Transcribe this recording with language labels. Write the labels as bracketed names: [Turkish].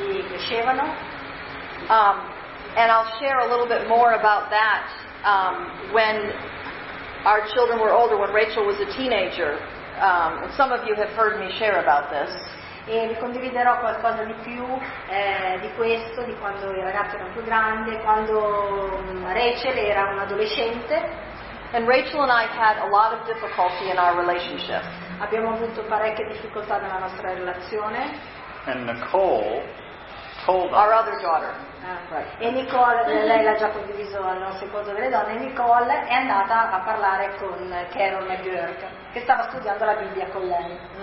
[English] And I'll share a little bit more about that when our children were older, when Rachel was a teenager. Some of you have heard me share about this. [Italian] E vi condividerò qualcosa di più di questo, di quando i ragazzi erano più grandi, quando Rachel era un'adolescente. [English] And Rachel and I had a lot of difficulty in our relationship. [Italian] Abbiamo avuto parecchie difficoltà nella nostra relazione. [English] And Nicole told our other daughter. [Italian] Right. E Nicole, lei l'ha già condiviso al nostro corso delle donne. Nicole è andata a parlare con Carol McGurk, che stava studiando la Bibbia con lei.